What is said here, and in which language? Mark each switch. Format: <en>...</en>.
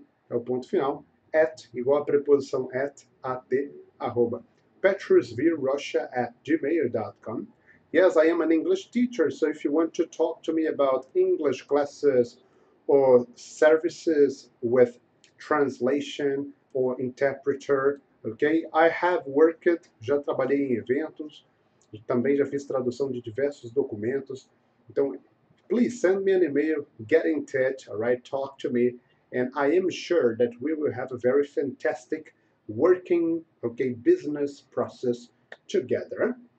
<pt>É o ponto final, at, igual a preposição at, at, arroba. petrusvrocha@gmail.com.</pt> <en>Yes, I am an English teacher, so if you want to talk to me about English classes or services with translation or interpreter, okay? I have worked,</en> <pt>já trabalhei em eventos, também já fiz tradução de diversos documentos. Então,</pt> <en>please send me an email, get in touch, all right? Talk to me. And I am sure that we will have a very fantastic working, okay, business process together.</en>